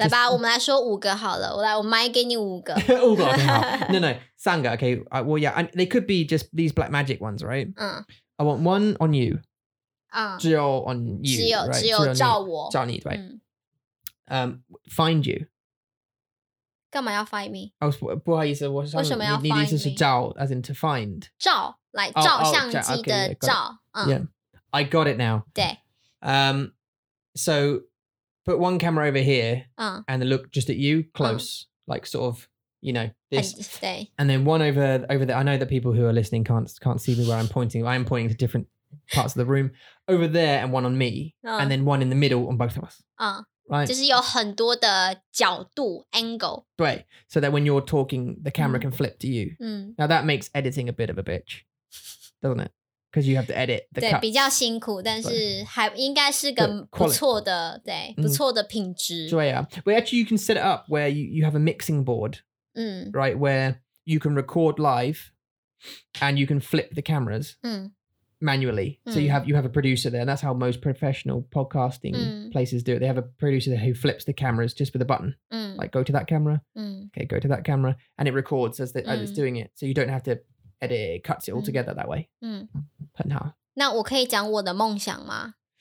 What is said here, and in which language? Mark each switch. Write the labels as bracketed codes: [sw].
[zh] 来吧 我们来说五个好了 我买给你五个五个 [en] okay, No [zh] 三个 [en] Okay well, yeah, and They could be just These black magic ones right I want one on you [zh] 只有 [en] on you [zh] 只有照我 [en] right? [zh] 照你 [en] Right find you. [zh] 干嘛要 [en] find me? [zh] Oh, 不好意思, 我是想, 为什么要 [en] find me? [zh] 你的意思是 照, [en] as in to find. [zh] 照, like 照相机的照。 [en] Okay, yeah, got [zh] 照, [en] yeah, I got it now. [zh] 对。 [en] So, put one camera over here, and look just at you, close, like sort of, you know, this. And then one over there, I know that people who are listening can't see me where I'm pointing, I am pointing to different parts of the room, over there and one on me, and then one in the middle on both of us. Right. [zh] 就是有很多的角度, angle. [en] 对, so that when you're talking, the camera can flip to you. Now that makes editing a bit of a bitch, doesn't it? Because you have to edit the [zh] 对, [en] cuts. [zh] 比较辛苦,但是还应该是个不错的, 对, 不错的品质。对啊, yeah. [en] But actually you can set it up where you have a mixing board, right, where you can record live and you can flip the cameras. Manually. So you have a producer there. And that's how most professional podcasting places do it. They have a producer who flips the cameras just with a button. Like, go to that camera. Okay, go to that camera. And it records as it's doing it. So you don't have to edit it. It cuts it all together that way. [zh] 那我可以讲我的梦想吗?